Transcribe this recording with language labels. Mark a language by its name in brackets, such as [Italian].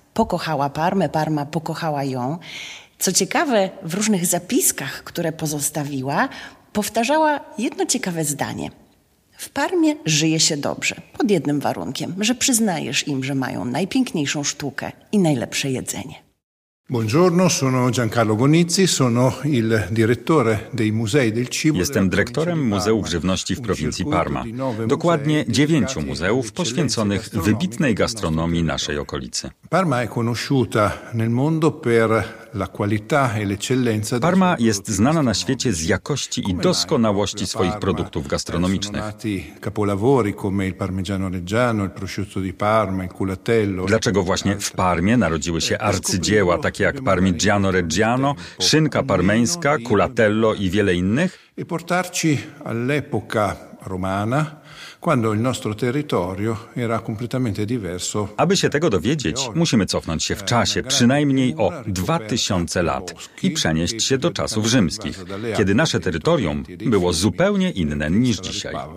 [Polish] Pokochała Parmę, Parma pokochała ją. Co ciekawe, w różnych zapiskach, które pozostawiła, powtarzała jedno ciekawe zdanie. W Parmie żyje się dobrze, pod jednym warunkiem, że przyznajesz im, że mają najpiękniejszą sztukę i najlepsze jedzenie. [Italian] Buongiorno, sono Giancarlo Gonizzi, sono il direttore dei musei del cibo. [Polish] Jestem dyrektorem muzeów żywności w prowincji Parma. Dokładnie 9 muzeów poświęconych wybitnej gastronomii naszej okolicy. [Italian] Parma è conosciuta nel mondo per la qualità e l'eccellenza. [Polish] Parma jest znana na świecie z jakości i doskonałości swoich produktów gastronomicznych. [Italian] Capolavori come il parmigiano reggiano, il prosciutto di Parma, il culatello. [Polish] Dlaczego właśnie w Parmie narodziły się arcydzieła, takie jak parmigiano reggiano, szynka parmeńska, culatello i wiele innych? [Italian] E portarci all'epoca romana, quando il nostro territorio era completamente diverso. [Polish] Aby się tego dowiedzieć, musimy cofnąć się w czasie przynajmniej o 2000 lat i przenieść się do czasów rzymskich, kiedy nasze terytorium było zupełnie inne niż dzisiaj.